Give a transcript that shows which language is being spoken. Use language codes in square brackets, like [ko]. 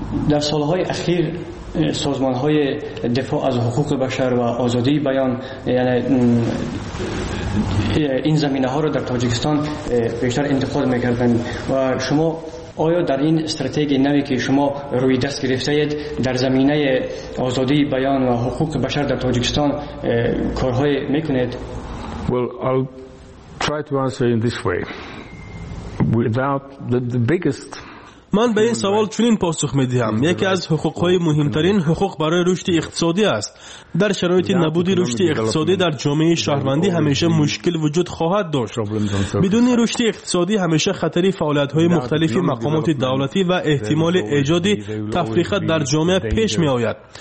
[fa] در سالهای اخیر سازمان های دفاع از حقوق بشر و آزادی بیان، یعنی این زمینه ها را در تاجیکستان بیشتر انتقاد می کردن و شما آیا در این استراتژی نوی که شما روی دست گرفته اید در زمینه آزادی بیان و حقوق بشر در تاجیکستان کارهای میکنید؟ [en] Well, I'll try to answer in this way. Without the biggest [fa] من به این سوال چنین پاسخ می دهم. یکی از حقوق‌های مهمترین حقوق برای رشد اقتصادی است. در شرایط نبود رشد اقتصادی در جامعه شهروندی همیشه مشکل وجود خواهد داشت. بدون رشد اقتصادی همیشه خطر فعالیت‌های مختلف مقامات دولتی و احتمال ایجاد تفرقه در جامعه پیش می‌آید.